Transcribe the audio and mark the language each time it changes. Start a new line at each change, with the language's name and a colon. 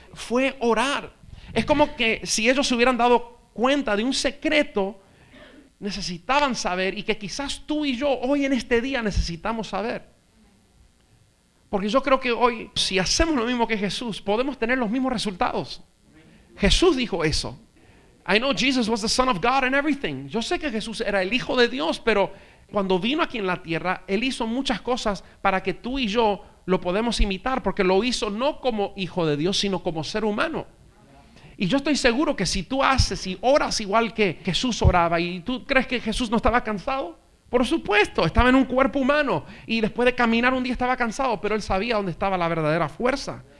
Spanish: Fue orar. Es como que si ellos se hubieran dado cuenta de un secreto, necesitaban saber, y que quizás tú y yo hoy en este día necesitamos saber. Porque yo creo que hoy, si hacemos lo mismo que Jesús, podemos tener los mismos resultados. Jesús dijo eso.
English: I know Jesus was the Son of God and everything.
Spanish: Yo sé que Jesús era el Hijo de Dios, pero cuando vino aquí en la tierra, Él hizo muchas cosas para que tú y yo lo podemos imitar, porque lo hizo no como Hijo de Dios, sino como ser humano. Y yo estoy seguro que si tú haces y oras igual que Jesús oraba, y tú crees que Jesús no estaba cansado, por supuesto, estaba en un cuerpo humano y después de caminar un día estaba cansado, pero Él sabía dónde estaba la verdadera fuerza.